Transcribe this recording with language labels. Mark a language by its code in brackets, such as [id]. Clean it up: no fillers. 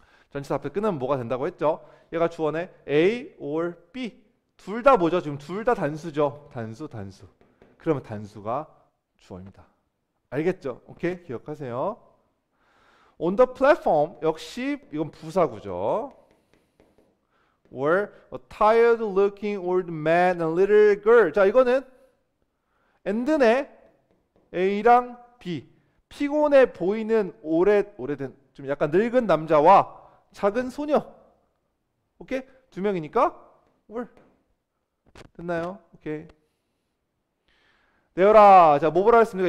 [ko] 전치사 앞에 끊으면 뭐가 된다고 했죠? 얘가 주어네. A or B. 둘다 뭐죠? 지금 둘다 단수죠? 단수, 단수. 그러면 단수가 주어입니다. 알겠죠? 오케이. 기억하세요. [en] On the platform, [ko] 역시 이건 부사구죠. [en] Were a tired looking old man and little girl. [ko] 자, 이거는 and네. A랑 B. 피곤해 보이는 오래된, 좀 약간 늙은 남자와 작은 소녀. 오케이? 두 명이니까 were. 됐나요? 오케이. 되어라. 자, 뭐 보라 했습니까?